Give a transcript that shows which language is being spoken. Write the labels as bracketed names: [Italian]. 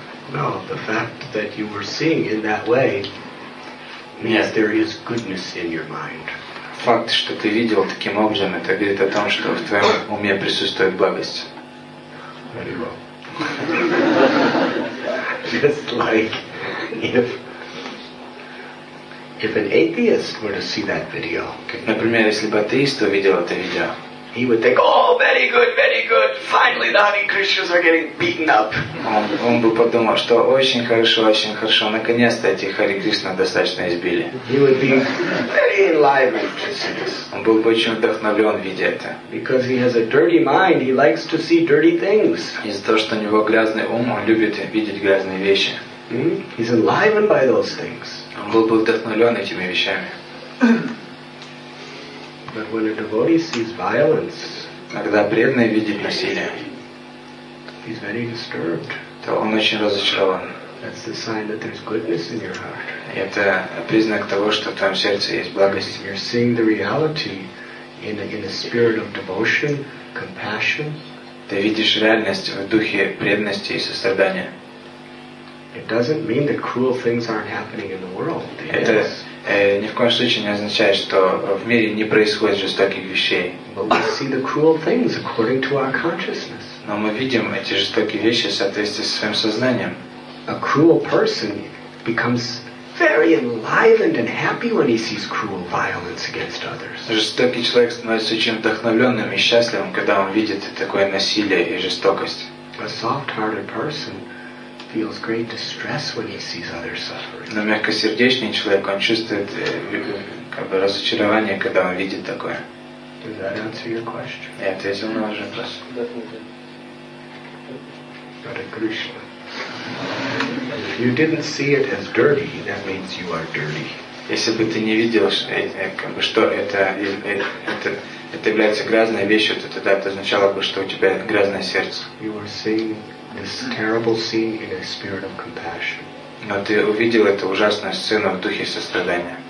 [English] No, the fact that you were seeing in that way means there is goodness in your mind. [Russian] Факт, что ты видел таким образом, это говорит о том, что в твоем уме присутствует благость. [English] Very well. Just like if an atheist were to see that video. [Russian] Например, если бы атеист увидел это видео, [English] he would think, oh, very good, very good. Finally, the Hare Krishnas are getting beaten up. [Russian] Он бы подумал, что очень хорошо, наконец-то эти Хари Кришна достаточно избили. [English] He would be very enlivened to see this. [Russian] Он был бы очень вдохновлен, видя это. [English] Because he has a dirty mind, he likes to see dirty things. [Russian] Из-за того, что у него грязный ум, он любит видеть грязные вещи. [English] He's enlivened by those things. [Russian] Он был бы вдохновлен этими вещами. [English] But when a devotee sees violence, [Russian] когда преданный видит насилие, [English] he's very disturbed. [Russian] То он очень разочарован. [English] That's the sign that there's goodness in your heart. [Russian] Это признак того, что в твоем сердце есть благость. [English] You're seeing the reality in a spirit of devotion, compassion. [Russian] Ты видишь реальность в духе преданности и сострадания. [English] It doesn't mean that cruel things aren't happening in the world. [Russian] Ни в коем случае не означает, что в мире не происходит жестоких вещей. [English] But we see the cruel things according to our consciousness. [Russian] Но мы видим эти жестокие вещи в соответствии со своим сознанием. [English] A cruel person becomes very enlivened and happy when he sees cruel violence against others. [Russian] Жестокий человек становится очень вдохновленным и счастливым, когда он видит такое насилие и жестокость. [English] A soft-hearted person feels great distress when he sees others suffering. [Russian] Но мягкосердечный человек, он чувствует разочарование, когда он видит такое. [English] Does that answer your question? [Russian] Я ответил на ваш вопрос. [English] Hare Krishna. If you didn't see it as dirty, that means you are dirty. [Russian] Если бы ты не видел, что это является грязной вещью, то тогда это означало бы, что у тебя грязное сердце. [English] You are seeing this terrible scene in a spirit of compassion. [Russian] Но ты увидел эту ужасную сцену в духе сострадания.